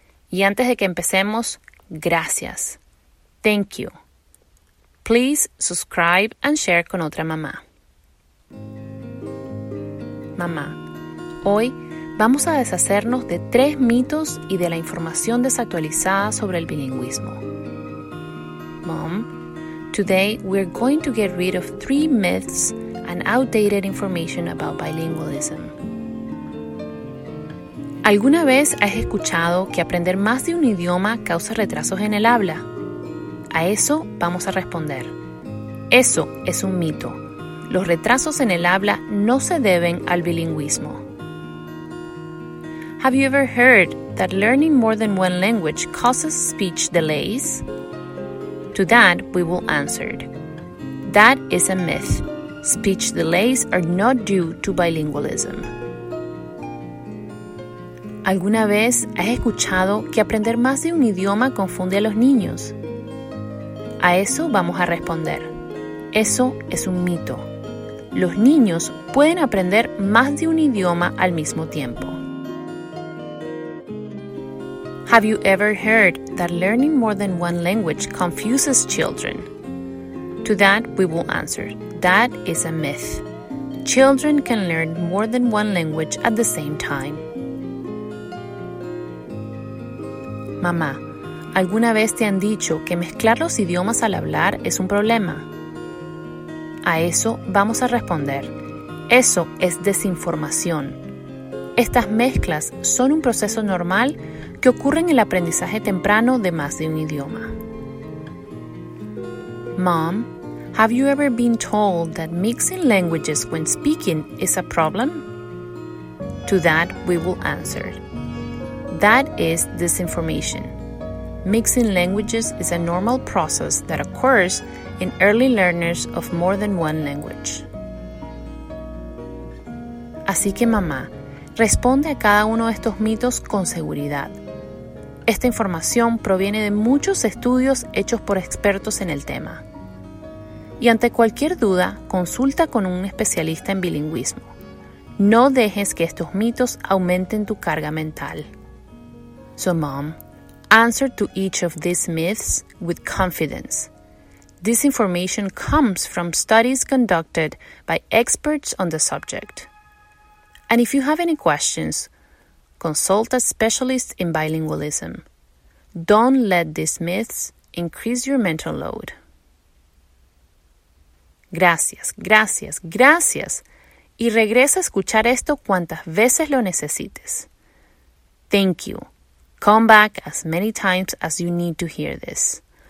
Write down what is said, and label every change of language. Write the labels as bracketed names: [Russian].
[Spanish] Y antes de que empecemos, gracias. [English] Thank you. Please subscribe and share [Spanish] con otra mamá. Mamá, hoy vamos a deshacernos de tres mitos y de la información desactualizada sobre el bilingüismo. [English] Mom, today we're going to get rid of three myths and outdated information about bilingualism. [Spanish] ¿Alguna vez has escuchado que aprender más de un idioma causa retrasos en el habla? A eso vamos a responder. Eso es un mito. Los retrasos en el habla no se deben al bilingüismo. [English] Have you ever heard that learning more than one language causes speech delays? To that, we will answer. That is a myth. Speech delays are not due to bilingualism. [Spanish] ¿Alguna vez has escuchado que aprender más de un idioma confunde a los niños? A eso vamos a responder. Eso es un mito. Los niños pueden aprender más de un idioma al mismo tiempo. [English] Have you ever heard that learning more than one language confuses children? To that, we will answer. That is a myth. Children can learn more than one language at the same time. [Spanish] Mamá, ¿alguna vez te han dicho que mezclar los idiomas al hablar es un problema? A eso vamos a responder. Eso es desinformación. Estas mezclas son un proceso normal que ocurre en el aprendizaje temprano de más de un idioma. [English] Mom, have you ever been told that mixing languages when speaking is a problem? To that we will answer. That is disinformation. Mixing languages is a normal process that occurs in early learners of more than one language. [Spanish] Así que mamá, responde a cada uno de estos mitos con seguridad. Esta información proviene de muchos estudios hechos por expertos en el tema. Y ante cualquier duda, consulta con un especialista en bilingüismo. No dejes que estos mitos aumenten tu carga mental. [English] So mom, answer to each of these myths with confidence. This information comes from studies conducted by experts on the subject. And if you have any questions, consult a specialist in bilingualism. Don't let these myths increase your mental load. [Spanish] Gracias, gracias, gracias. Y regresa a escuchar esto cuantas veces lo necesites. [English] Thank you. Come back as many times as you need to hear this.